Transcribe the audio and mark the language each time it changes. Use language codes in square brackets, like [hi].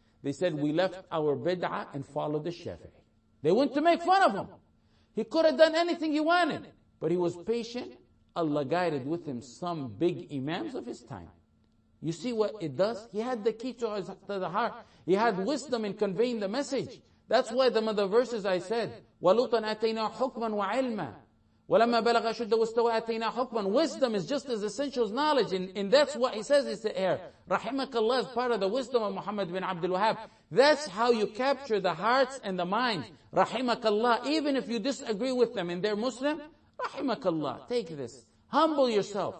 [en] They said, we left our bid'ah and followed the Shafi'i. They went to make fun of him. He could have done anything he wanted, but he was patient. Allah guided with him some big imams of his time. You see what it does? He had the key to the heart. He had wisdom in conveying the message. That's why the mother verses I said, [ar] وَلُوطًا أَتَيْنَاهُ حُكْمًا وَعِلْمًا وَلَمَّا بَلَغَ شُدَّهُ وَاسْتَوَى أَتَيْنَاهُ حُكْمًا. [en] Wisdom is just as essential as knowledge. And that's what he says is here. Rahimakallah is part of the wisdom of Muhammad bin Abdul Wahhab. That's how you capture the hearts and the minds. Rahimakallah. Even if you disagree with them and they're Muslim, Rahimakallah. Take this. Humble yourself.